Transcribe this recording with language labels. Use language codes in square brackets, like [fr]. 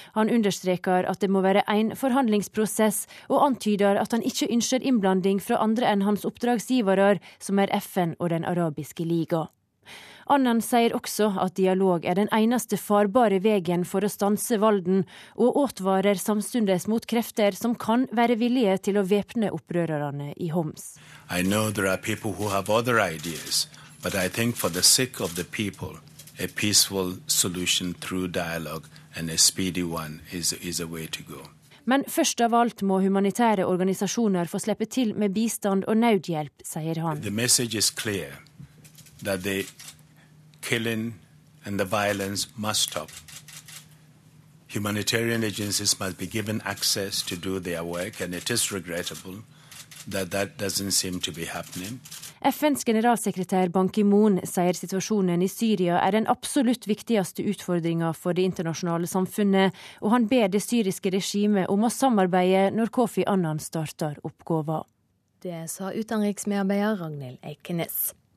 [no] Han understreker at det må være en forhandlingsprosess, og antyder at han ikke ønsker innblanding fra andre enn hans oppdragsgivere, som er FN og den arabiske liga. Annan sier også at dialog er den eneste farbare vegen for å stanse volden, og advarer samstundes mot krefter som kan være villige til å væpne opprørerne i Homs. [en] I know there are people who have other ideas, but I think for the sake of the people, a peaceful solution through dialogue and a speedy one is a way to go. [no] Men først av alt må humanitære organisasjoner få slippe til med bistand og nødhjelp, sier han. [en] The message is clear that they killing and the violence must stop. Humanitarian agencies must be given access to do their work, and it is regrettable that that doesn't seem to be happening. [no] FNs generalsekretær Ban Ki-moon sier situasjonen i Syria er den absolutt viktigste utfordringen for det internasjonale samfunnet, og han ber det syriske regimet om å samarbeide når Kofi Annan starter oppgaven. Det sa utenriksmedarbeider Ragnhild Eikenes.